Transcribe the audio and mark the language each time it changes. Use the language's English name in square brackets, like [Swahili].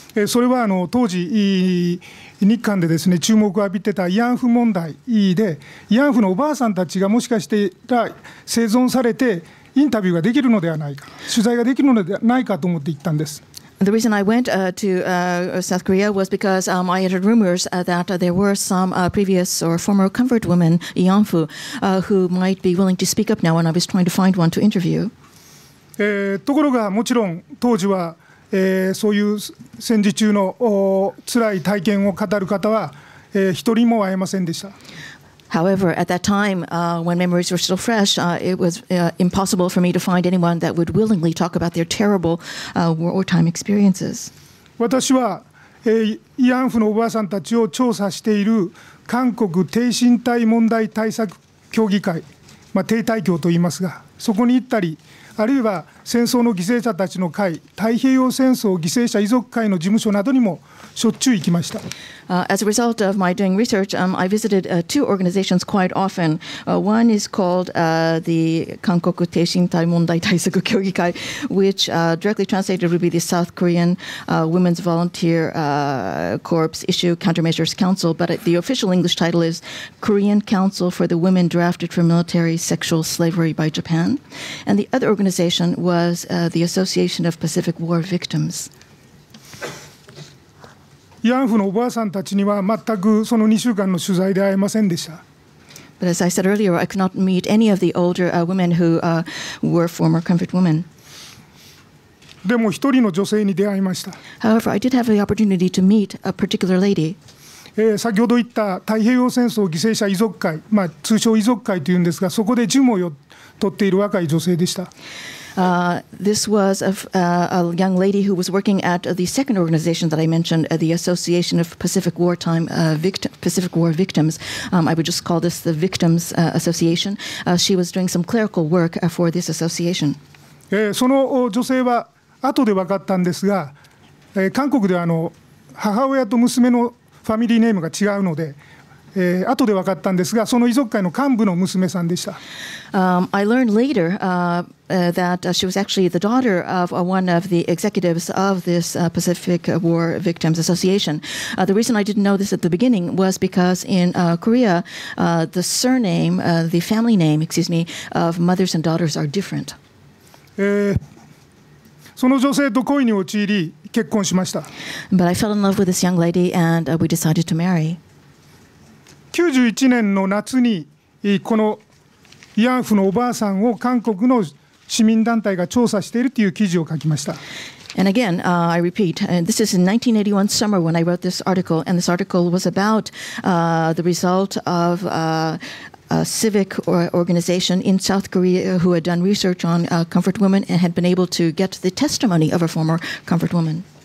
[Japanese] それはあの当時日韓でですね注目を浴びてた慰安婦問題で、慰安婦のおばあさんたちがもしかしたら生存されてインタビューができるのではないか、取材ができるのではないかと思って行ったんです。 [English] The reason I went to South Korea was because I had heard rumors that there were some previous or former comfort women, Yanfu, who might be willing to speak up now, and I was trying to find one to interview. [Japanese] ところがもちろん当時は、そういう戦時中の辛い体験を語る方は、一人も会えませんでした。 [English] However, at that time, when memories were still fresh, it was impossible for me to find anyone that would willingly talk about their terrible wartime experiences. [Japanese] 私は、慰安婦のおばあさんたちを調査している韓国低身体問題対策協議会、まあ、低体協といいますが、そこに行ったり、あるいは戦争の犠牲者たちの会、太平洋戦争犠牲者遺族会の事務所などにもしょっちゅう行きました。 [English] As a result of my doing research, I visited two organizations quite often. One is called the 韓国低身体問題対策協議会, which directly translated would be the South Korean Women's Volunteer Corps Issue Countermeasures Council, but the official English title is Korean Council for the Women Drafted for Military Sexual Slavery by Japan. And the other organization was the Association of Pacific War Victims. [Japanese] 慰安婦のおばあさんたちには全くその2週間の取材で会えませんでした。 [English] But as I said earlier, I could not meet any of the older women who were former comfort women. [Japanese] でも一人の女性に出会いました。 [English] However, I did have the opportunity to meet a particular lady. [Japanese] 先ほど言った太平洋戦争犠牲者遺族会、まあ、通称遺族会というんですが、そこで事務を取っている若い女性でした。 [English] This was a young lady who was working at the second organization that I mentioned, the Association of Pacific Wartime Pacific War Victims. I would just call this the Victims Association. She was doing some clerical work for this association. [Japanese] その女性は後で分かったんですが、韓国ではあの母親と娘のファミリーネームが違うので、後で分かったんですが、その遺族会の幹部の娘さんでした。 [English] I learned later that she was actually the daughter of one of the executives of this Pacific War Victims Association. The reason I didn't know this at the beginning was because in Korea, the surname, the family name, excuse me, of mothers and daughters are different. [Japanese] その女性と恋に陥り、結婚しました。 [English] But I fell in love with this young lady and we decided to marry. [Japanese] 91年の夏にこの慰安婦のおばあさんを韓国の市民団体が調査しているという記事を書きました。 [English] And again, I repeat, this is in 1981 summer when I wrote this article, and this article was about the result of a civic organization in South Korea who had done research on comfort women and had been able to get the testimony of a former comfort woman.